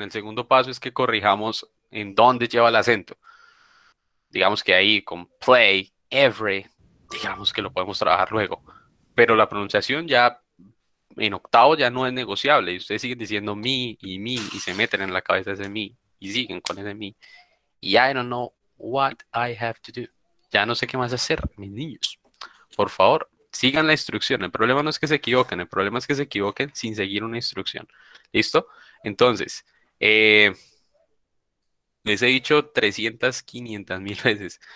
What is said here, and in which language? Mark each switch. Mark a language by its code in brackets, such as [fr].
[es] El segundo paso es que corrijamos en dónde lleva el acento. Digamos que ahí con play, every, digamos que lo podemos trabajar luego. Pero la pronunciación ya en octavo ya no es negociable. Y ustedes siguen diciendo me y me y se meten en la cabeza ese me y siguen con ese me. [en] Y I don't know what I have to do. [es] Ya no sé qué más hacer, mis niños. Por favor, sigan la instrucción. El problema no es que se equivoquen, el problema es que se equivoquen sin seguir una instrucción. ¿Listo? Entonces, les he dicho 300, 500 mil veces.